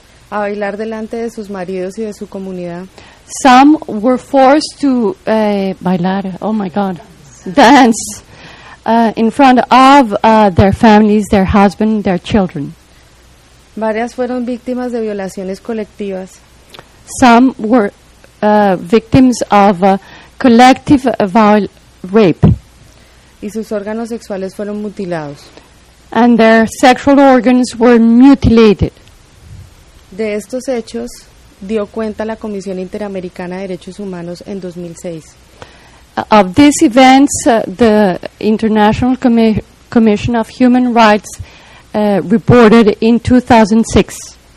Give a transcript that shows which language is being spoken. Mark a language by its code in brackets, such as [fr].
[es] A bailar delante de sus maridos y de su comunidad. [en] Some were forced to bailar, oh my God, dance in front of their families, their husband, their children. [es] Varias fueron víctimas de violaciones colectivas. [en] Some were victims of collective rape. [es] Y sus órganos sexuales fueron mutilados. [en] And their sexual organs were mutilated. [es] De estos hechos dio cuenta la Comisión Interamericana de Derechos Humanos en 2006. [en] Of these events, the International Commission of Human Rights reported in 2006.